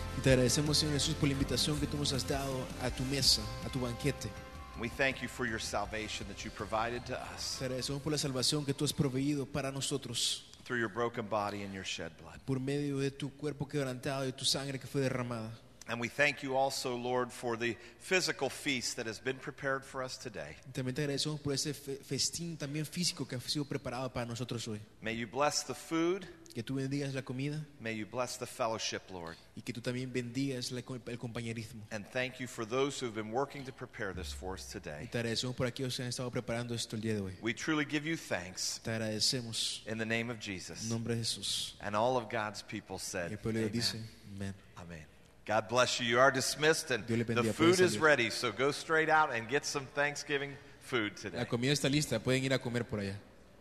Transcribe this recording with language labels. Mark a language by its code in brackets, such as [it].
[es] Te agradecemos, Señor Jesús, por la invitación que tú nos has dado a tu mesa, a tu banquete. [en] We thank you for your salvation that you provided to us. [es] Te agradecemos por la salvación que tú has proveído para nosotros. [en] Through your broken body and your shed blood. [es] Por medio de tu cuerpo quebrantado y tu sangre que fue derramada. [en] And we thank you also, Lord, for the physical feast that has been prepared for us today. [es] También te agradecemos por ese festín también físico que ha sido preparado para nosotros hoy. [en] May you bless the food. [es] Que tú bendigas la comida. [en] May you bless the fellowship, Lord. [es] Y que tú también bendigas el compañerismo. [en] And thank you for those who have been working to prepare this for us today. [es] Y te agradecemos por aquellos que han estado preparando esto el día de hoy. [en] We truly give you thanks. [es] Te agradecemos. [en] In the name of Jesus. [es] En nombre de Jesús. [en] And all of God's people said, [es] y el pueblo [en] amen. [es] Dice, amen. [en] Amen. God bless you. You are dismissed and the food is ready. So go straight out and get some Thanksgiving food today. [es] La comida está lista. Pueden ir a comer por allá.